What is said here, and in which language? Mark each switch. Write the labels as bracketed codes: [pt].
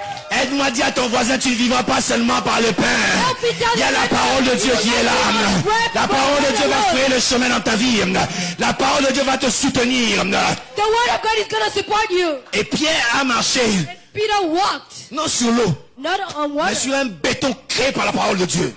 [fr] Aide-moi, dis à ton voisin, tu ne vivras pas seulement par le pain. Il y a la parole de Dieu qui est là. La parole de Dieu va créer le chemin dans ta vie. La parole de Dieu va te soutenir. [en] The word of God is gonna support you. [fr] Et Pierre a marché. [en] And Peter walked. [fr] Non sur l'eau. [en] Not on water. [fr] Mais sur un béton créé par la parole de Dieu.